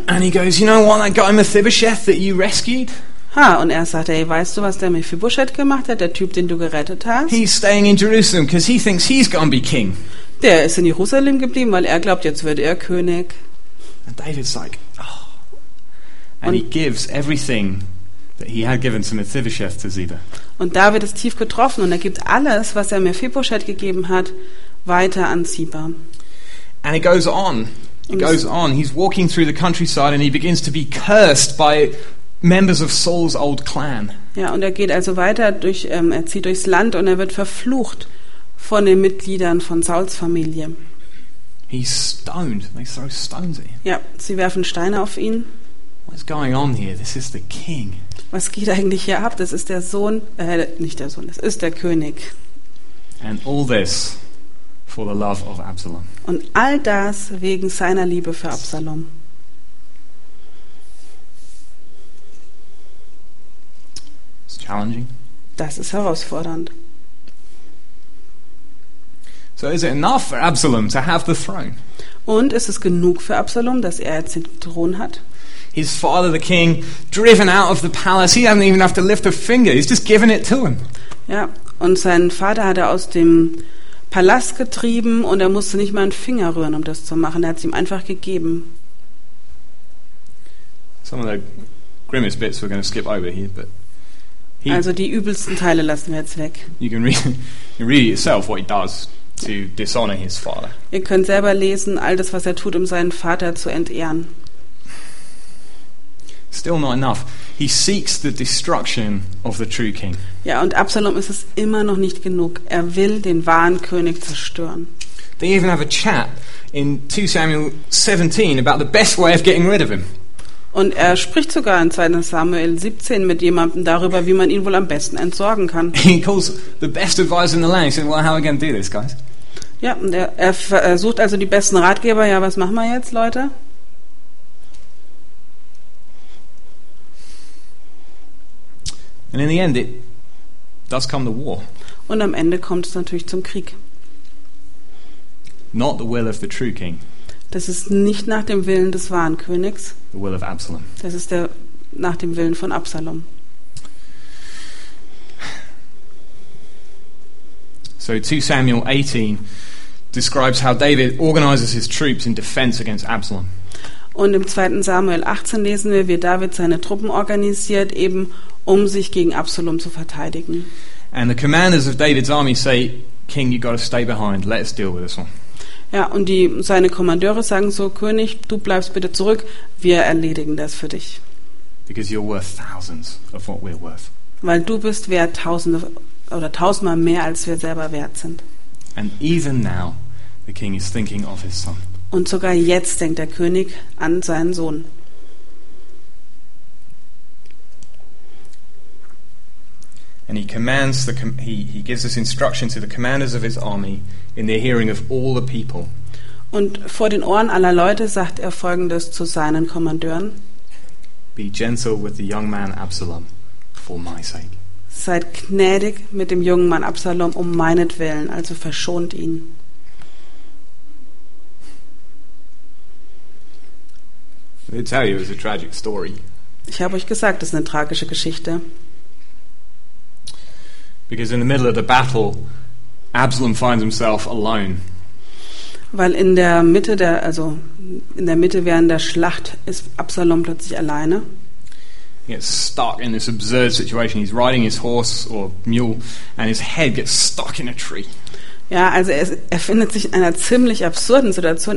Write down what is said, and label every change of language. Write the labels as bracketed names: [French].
[English] And he goes, you know what, that guy Mephibosheth that you rescued? [German] Ha, und er sagt, ey, weißt du, was der Mephibosheth gemacht hat, der Typ, den du gerettet hast? [English] He's staying in Jerusalem because he thinks he's gonna be king. [German] Der ist in Jerusalem geblieben, weil er glaubt, jetzt wird er König. [English] And David's like, oh. And he gives everything that he had given to Mephibosheth to Ziba. [German] Und David ist tief getroffen und er gibt alles, was er Mephibosheth gegeben hat, weiter an Ziba. [English] And it goes on. It goes on. He's walking through the countryside and he begins to be cursed by members of Saul's old clan. [German] Ja, und er geht also weiter durch er zieht durchs Land und er wird verflucht von den Mitgliedern von Sauls Familie. [English] He's stoned. They throw stones at him. [German] Ja, sie werfen Steine auf ihn. [English] What's going on here? This is the king. [German] Was geht eigentlich hier ab? Das ist der Sohn, nicht der Sohn, das ist der König. [English] And all this for the love of Absalom. [German] Und all das wegen seiner Liebe für Absalom. [English] It's challenging. [German] Das ist herausfordernd. [English] So is it enough for Absalom to have the throne? [German] Und ist es genug für Absalom, dass er jetzt den Thron hat? [English] His father, the king, driven out of the palace. He doesn't even have to lift a finger. He's just given it to him. [German] Ja, und seinen Vater hat er aus dem Palast getrieben und er musste nicht mal einen Finger rühren, um das zu machen. Er hat es ihm einfach gegeben. [English] Some of the grimmest bits we're going to skip over here, but [German] he, also die übelsten Teile lassen wir jetzt weg. [English] You can read yourself what he does to dishonor his father. [German] Ihr könnt selber lesen, all das, was er tut, um seinen Vater zu entehren. [English] Still not enough. He seeks the destruction of the true king. [German] Ja, und Absalom ist es immer noch nicht genug. Er will den wahren König zerstören. [English] They even have a chat in 2 Samuel 17 about the best way of getting rid of him. [German] Und er spricht sogar in 2 Samuel 17 mit jemandem darüber, wie man ihn wohl am besten entsorgen kann. [English] He calls the best advisor in the land. He says, well, how are we going to do this, guys? [German] Ja, und er versucht also die besten Ratgeber. Ja, was machen wir jetzt, Leute? [English] And in the end, it does come to war. [German] Und am Ende kommt es natürlich zum Krieg. [English] Not the will of the true king. [German] Das ist nicht nach dem Willen des wahren Königs. [English] The will of Absalom. [German] Das ist der nach dem Willen von Absalom. [English] So 2 Samuel 18 describes how David organizes his troops in defense against Absalom. [German] Und im 2. Samuel 18 lesen wir, wie David seine Truppen organisiert, eben um sich gegen Absalom zu verteidigen. [English] And the commanders of David's army say, King, you got to stay behind. Let us deal with this one. [German] Ja, und seine Kommandeure sagen so, König, du bleibst bitte zurück. Wir erledigen das für dich. [English] Because you're worth thousands of what we're worth. [German] Weil du bist wert tausende oder tausendmal mehr als wir selber wert sind. [English] And even now, the king is thinking of his son. [German] Und sogar jetzt denkt der König an seinen Sohn. [English] And he gives this instruction to the commanders of his army in the hearing of all the people. [German] Und vor den Ohren aller Leute sagt er Folgendes zu seinen Kommandeuren. [English] Be gentle with the young man Absalom, for my sake. [German] Seid gnädig mit dem jungen Mann Absalom um meinetwillen, also verschont ihn. [English] They tell you it's a tragic story. [German] Ich habe euch gesagt, es ist eine tragische Geschichte. [English] Because in the middle of the battle, Absalom finds himself alone. [German] Weil in der Mitte während der Schlacht ist Absalom plötzlich alleine. [English] He gets stuck in this absurd situation. He's riding his horse or mule, and his head gets stuck in a tree. [German] Ja, also er findet sich in einer ziemlich absurden Situation.